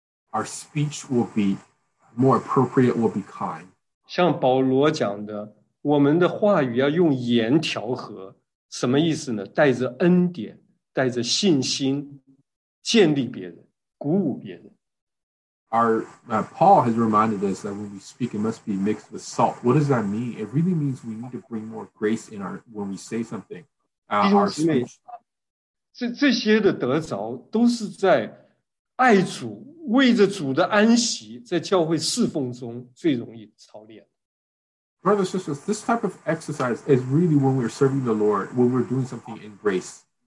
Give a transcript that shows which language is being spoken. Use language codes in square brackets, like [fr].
[en] Our speech will be more appropriate, will be kind. [zh] 像保罗讲的，我们的话语要用言调和，什么意思呢？带着恩典。带着信心建立别人，鼓舞别人。 [en] Paul has reminded us that when we speak, it must be mixed with salt. What does that mean? It really means we need to bring more grace in our when we say something. [zh] 弟兄姊妹，这些的得着都是在爱主、为着主的安息，在教会侍奉中最容易操练。 [en] Brothers and sisters, this type of exercise is really when we're serving the Lord, when we're doing something in grace.